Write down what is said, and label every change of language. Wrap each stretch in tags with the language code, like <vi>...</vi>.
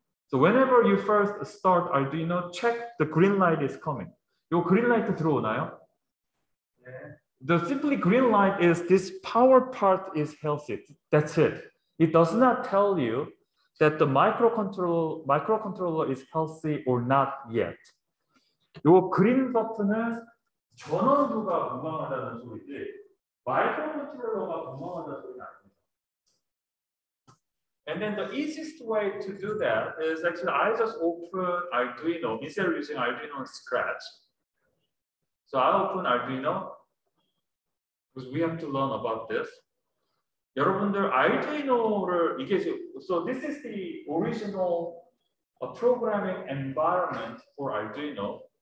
<en>So whenever you first start Arduino, check the green light is coming.</en> <ko>요 green light 들어오나요? 네.</ko> <en>The simply green light is this power part is healthy. That's it. It does not tell you that the microcontroller is healthy or not yet.</en> <ko>요 green 버튼은 전원부가 건강하다는 소리지 마이크로컨트롤러가 건강하다는 소리는 아닙니다.</ko> <en>And then the easiest way to do that is actually I just open Arduino instead of using Arduino on scratch. So I open Arduino because we have to learn about this.</en> <ko>여러분들 Arduino를 이게 지금,</ko> <en>so this is the original programming environment for Arduino.</en>